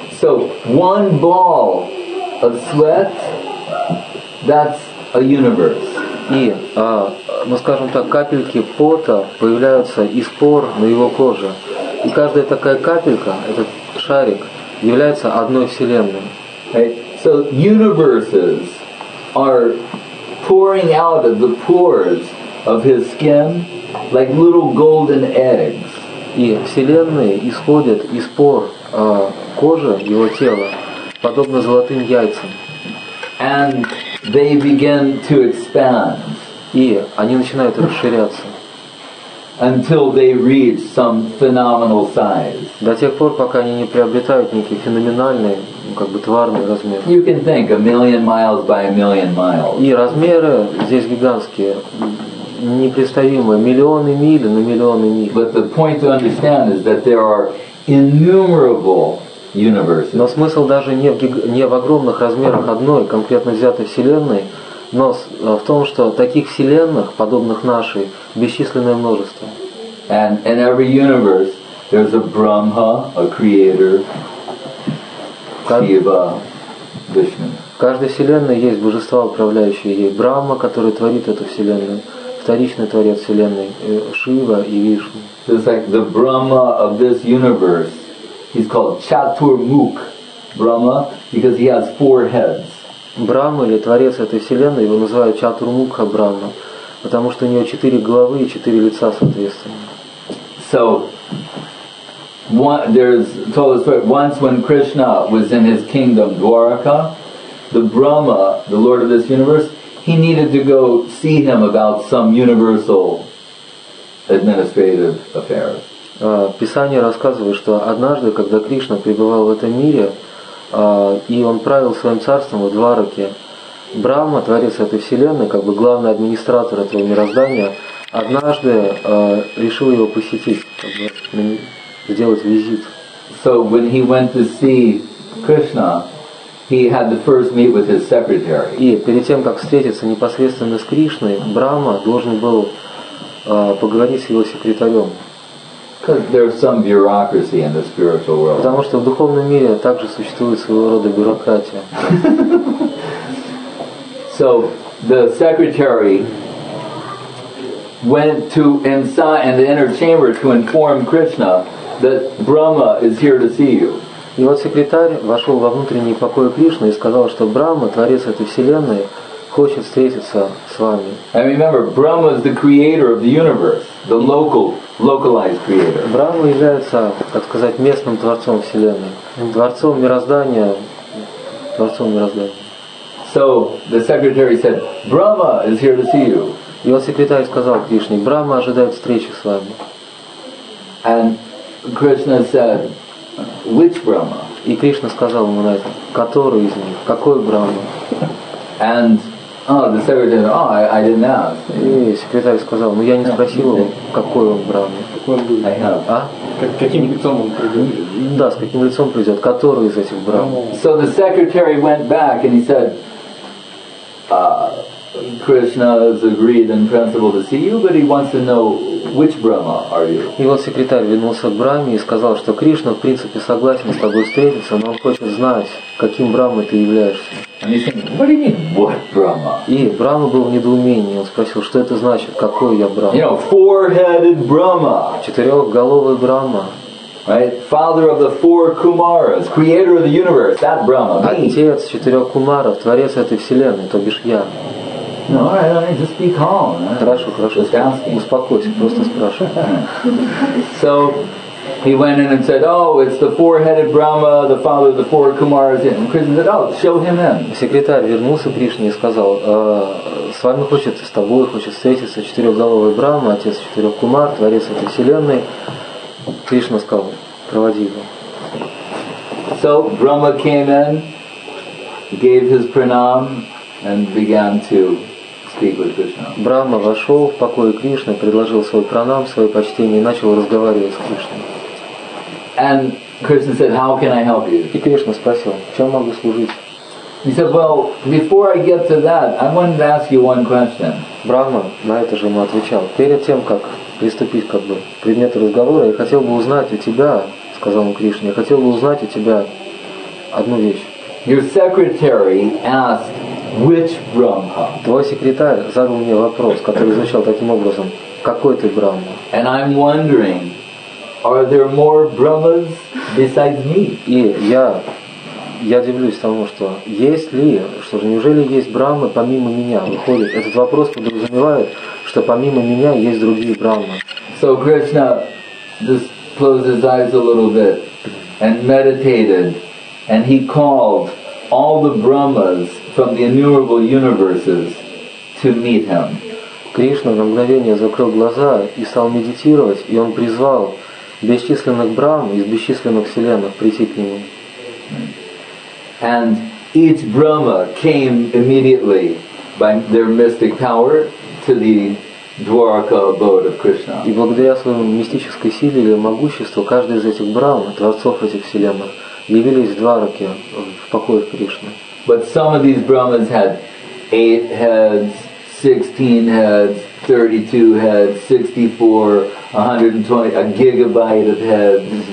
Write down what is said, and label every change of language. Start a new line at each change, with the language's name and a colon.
English: So one ball of sweat, that's a universe.
Russian: И, ну скажем так, капельки пота появляются из пор на его коже. И каждая такая капелька, этот шарик, является одной вселенной.
English: Right? So universes are pouring out of the pores of his skin like little golden eggs.
Russian: И вселенные исходят из пор кожи его тела, подобно золотым яйцам.
English: And they begin to expand.
Russian: И они начинают расширяться.
English: Until they reach some phenomenal size.
Russian: До тех пор, пока они не приобретают некий феноменальный, как бы тварный размер.
English: You can think a million miles by a million miles.
Russian: И размеры здесь гигантские, непредставимые, миллионы миль на миллионы миль.
English: But the point to understand is that there are innumerable universes.
Russian: Но смысл даже не в огромных размерах одной конкретно взятой вселенной. Но в том, что таких вселенных, подобных нашей, бесчисленное множество.
English: And in every universe, there's a Brahma, a creator, Shiva, Vishnu.
Russian: В каждой вселенной есть божества, управляющие ей. Брахма, который творит эту вселенную, вторичный творец вселенной, Шива и Вишну.
English: It's like the Brahma of this universe, he's called Chaturmukh Brahma, because he has four heads.
Russian: Брахма, или творец этой вселенной, его называют Чатурмукха Брахма, потому что у него четыре головы и четыре лица, соответственно.
English: So, one, there's told the story, once when Krishna was in his kingdom, Dwaraka, the Brahma, the lord of this universe, he needed to go see him about some universal administrative affairs.
Russian: Писание рассказывает, что однажды, когда Кришна пребывал в этом мире, и он правил своим царством в Двараке. Брахма, творец этой вселенной, как бы главный администратор этого мироздания, однажды решил его посетить, как бы сделать визит.
English: So when he went to see Krishna, he had the first meet with his secretary.
Russian: И перед тем, как встретиться непосредственно с Кришной, Брахма должен был поговорить с его секретарем.
English: Because there's some bureaucracy in the spiritual world.
Russian: Потому что в духовном мире также существует своего рода бюрократия.
English: So the secretary went to inside in the inner chamber to inform Krishna that Brahma is here to see you.
Russian: И вот секретарь вошел во внутренние покои Кришны и сказал, что Брахма, творец этой вселенной, хочет встретиться с вами.
English: And remember, Brahma is the creator of the universe, the local, localized creator.
Russian: Брахма является, так сказать, местным творцом вселенной, творцом мироздания, творцом мироздания.
English: So the secretary said, Brahma is here to see you.
Russian: И вот секретарь сказал Кришне, Брахма ожидает встречи с вами.
English: And Krishna said, which Brahma?
Russian: И Кришна сказал ему на это, который из них, какой Брахма?
English: And the secretary said, I didn't ask.
Russian: И секретарь сказал, я не спросил его, какой он Брахма. Каким лицом он придет? Да, с каким лицом придет, который из этих Брахма.
English: So the secretary went back and he said, Krishna has agreed in principle to see you, but he wants to know which Brahma are you.
Russian: И вот секретарь вернулся к Брахме и сказал, что Кришна в принципе согласен с тобой встретиться, но он хочет знать, каким Брахмой ты являешься.
English: And he said, what do you mean, what Brahma?
Russian: И Брахма был в недоумении. Он спросил, что это значит, какой я Брахма?
English: You know, four-headed Brahma.
Russian: Четырехголовый Брахма.
English: Right? Father of the four Kumaras, creator of the universe, that Brahma.
Russian: Отец четырех Кумаров, творец этой вселенной, то бишь я.
English: No, all right, just be calm. Right?
Russian: Хорошо, хорошо. Успокойся, просто спрашивай.
English: So he went in and said, "Oh, it's the four-headed Brahma, the father of the four Kumaras." And Krishna said, "Oh, show him in."
Russian: Секретарь вернулся к Кришне и сказал: "С вами хочет, с тобой хочет встретиться четырехголовый Брахма, отец четырех Кумар, творец этой вселенной." Кришна сказал: "Проводи его."
English: So Brahma came in, gave his pranam, and began to speak with Krishna.
Russian: Брахма вошел в покой Кришны, предложил свой пранам, свое почтение, и начал разговаривать с Кришной.
English: And Krishna said, "How can I help you?"
Russian: И Кришна спросил, чем могу служить?
English: He said, "Well, before I get to that, I wanted to ask you one question."
Russian: Брахма на это же ему отвечал, перед тем, как приступить как бы, к предмету разговора, я хотел бы узнать у тебя, сказал ему Кришна, я хотел бы узнать у тебя одну вещь.
English: Your secretary asked, which Brahma?
Russian: Твой секретарь задал мне вопрос, который звучал таким образом: какой ты Брахма?
English: And I'm wondering, Are there more Brahmas besides me?
Russian: И я удивлюсь тому, что есть ли, что же, неужели есть Брахмы помимо меня? Выходит, этот вопрос подразумевает, что помимо меня есть другие Брахмы.
English: So Krishna just closed his eyes a little bit and meditated, and he called all the Brahmas from the innumerable universes to meet him.
Russian: Кришна на мгновение закрыл глаза и стал медитировать, и он призвал бесчисленных Брахм из бесчисленных вселенных прийти к нему.
English: And each Brahma came immediately by their mystic power to the Dwaraka abode of Krishna.
Russian: И благодаря своему мистической силе или могуществу каждый из этих Брахм, творцов этих вселенных, явились в Двараке, в покое Кришны.
English: But some of these Brahmas had 8 heads, 16 heads, 32 heads, 64, 120, a gigabyte of heads.